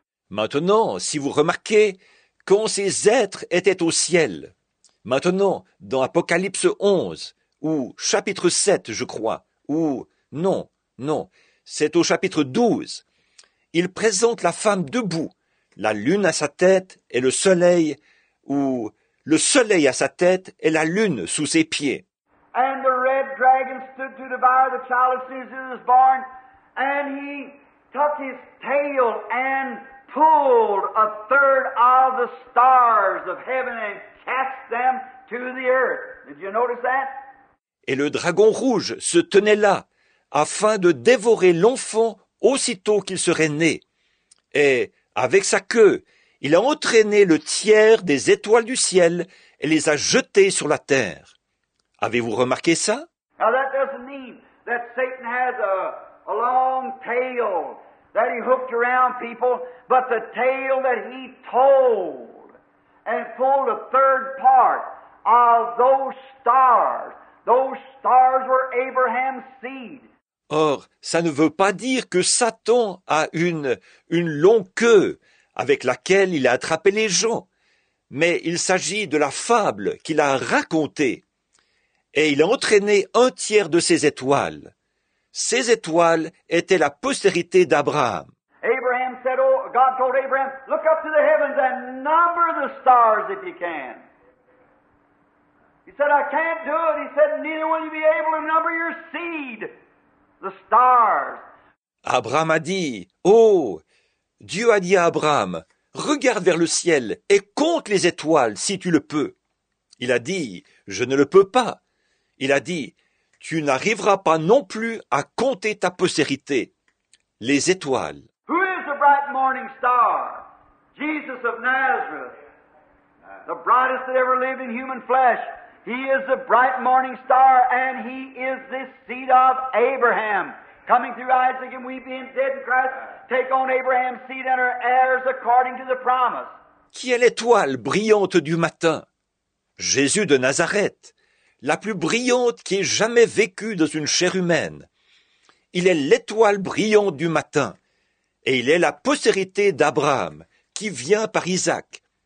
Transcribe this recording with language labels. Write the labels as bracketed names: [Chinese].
[French] Maintenant, si vous remarquez, quand ces êtres étaient au ciel, maintenant, dans Apocalypse 11, ou chapitre 7, je crois, ou non, c'est au chapitre 12, il présente la femme debout, la lune à sa tête et le soleil, ou le soleil à sa tête et la lune sous ses pieds. [English] And the red dragon stood to devour the child as soon as he was born. And he took his tail and pulled a third of the stars of heaven and cast them to the earth. Did you notice that? [French] Et le dragon rouge se tenait là, afin de dévorer l'enfant aussitôt qu'il serait né. Et avec sa queue. Il a entraîné le tiers des étoiles du ciel et les a jetées sur la terre. Avez-vous remarqué ça? [English] Now that doesn't mean that Satan has a long tail that he hooked around people, but the tail that he told and pulled a third part of those stars. Those stars were Abraham's seed. [French] Or, ça ne veut pas dire que Satan a une longue queue avec laquelle il a attrapé les gens, mais il s'agit de la fable qu'il a racontée. Et il a entraîné un tiers de ses étoiles. Ces étoiles étaient la postérité d'Abraham. [English] Abraham said, oh, God told Abraham, look up to the heavens and number the stars if you can. He said, I can't do it. He said, neither will you be able to number your seed, the stars. [French] Abraham a dit, oh, Dieu a dit à Abraham, regarde vers le ciel et compte les étoiles si tu le peux. Il a dit, je ne le peux pas. Il a dit, « Tu n'arriveras pas non plus à compter ta postérité, les étoiles. » [English] Who is the bright morning star? Jesus of Nazareth, the brightest that ever lived in human flesh. He is the bright morning star, and he is this seed of Abraham. Coming through Isaac, and we being dead in Christ, take on Abraham's seed and our heirs according to the promise. [French] Qui est l'étoile brillante du matin? Jésus de Nazareth. La plus brillante qui ait jamais vécu dans une chair humaine. Il est l'étoile brillante du matin, et il est la postérité d'Abraham, qui vient par Isaac.